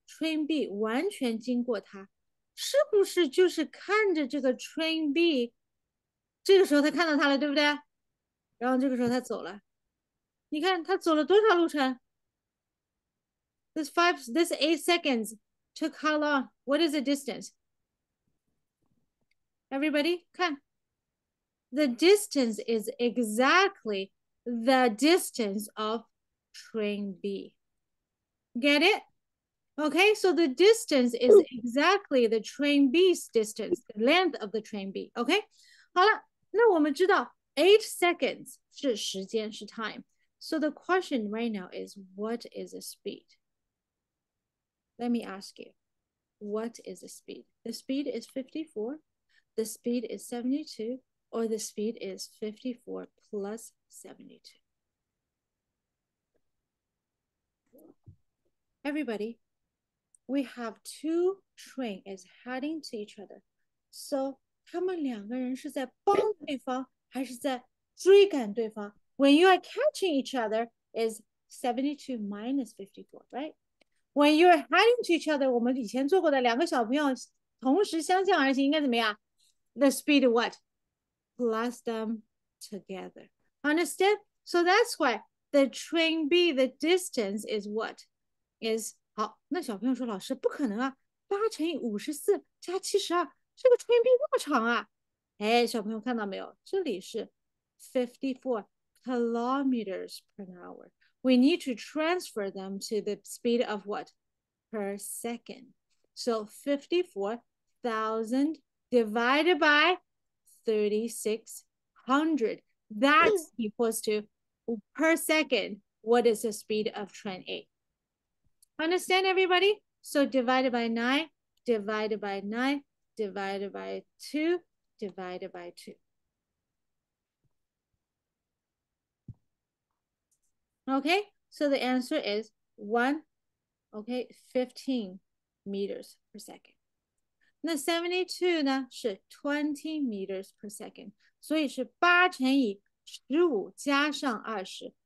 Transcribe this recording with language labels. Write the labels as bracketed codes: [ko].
[zh] train B 完全经过它，是不是就是看着这个 train B？这个时候他看到它了，对不对？然后这个时候他走了，你看他走了多少路程？ [en] This five, this 8 seconds took how long? What is the distance? Everybody, 看。 The distance is exactly the distance of train B. Get it? Okay, so the distance is exactly the train B's distance, the length of the train B. [zh] Okay, 好了，那我们知道 8 seconds 是时间，是 time. [en] So the question right now is what is the speed? Let me ask you, what is the speed? The speed is 54, the speed is 72. Or the speed is 54 plus 72. Everybody, we have two train is heading to each other. So, [zh] 他们两个人是在帮对方，还是在追赶对方？ [en] When you are catching each other is 72 minus 54, right? When you are heading to each other, [zh] 我们以前做过的两个小朋友同时相向而行，应该怎么样？ [en] The speed what? Plus them together. Understand? So that's why the train B, the distance is what? [zh] Is 好，那小朋友说老师不可能啊，8乘以54加72，这个 train B 那么长啊。哎，小朋友看到没有？ [en] 这里是54 kilometers per hour. We need to transfer them to the speed of what? Per second. So 54,000 divided by 3600. That equals to per second. What is the speed of train A? Understand, everybody? So divided by 9, divided by 9, divided by 2, divided by 2. Okay, so the answer is 1, okay, 15 meters per second. [zh] 那 72 呢？是 20 meters per second，所以是8乘以15加上20。